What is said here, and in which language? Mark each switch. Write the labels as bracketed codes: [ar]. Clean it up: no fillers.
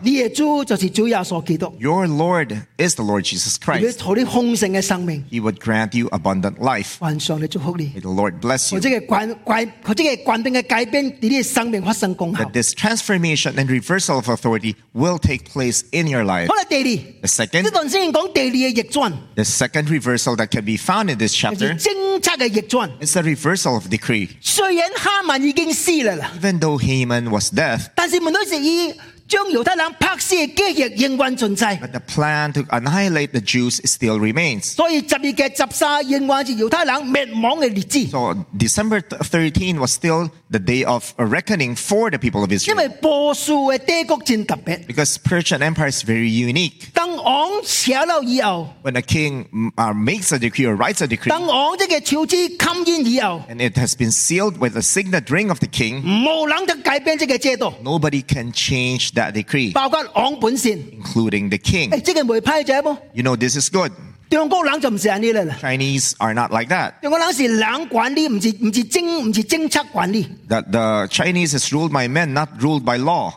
[zh] 你的主就是主耶稣基督, [en] your Lord is the Lord Jesus Christ. [zh] 你会给你丰盛的生命, [en] he would grant you abundant life. [zh] 愿上帝祝福你, [en] may the Lord bless you. [zh] 和这个权柄的改变在你的生命发生功效, [en] that this transformation and reversal of authority will take place in your life. [zh] 好了, 第二, [en] the second, [zh] 这段圣经讲第二的逆转, [en] the second reversal that can be found in this chapter, [zh] 就是政策的逆转, [en] it's the reversal of decree. [zh] 虽然哈曼已经死了, [en] even though Haman was dead, [zh] 但是问题是他将犹太人拍死的计划仍然存在。 [en] But the plan to annihilate the Jews still remains. [zh] 所以十二月十三仍然是犹太人灭亡的日子。 [en] So December 13 was still the day of a reckoning for the people of Israel. [zh] 因为波斯的帝国真特别。 [en] Because Persian Empire is very unique. [zh] 当王写了以后。 [en] When a king makes a decree or writes a decree. [zh] 当王这个诏旨刊印以后。 [en] And it has been sealed with a signet ring of the king. [zh] 无人能改变这个制度。 [en] Nobody can change that decree, including the king. You know, this is good. Chinese are not like that. The Chinese is ruled by men, not ruled by law.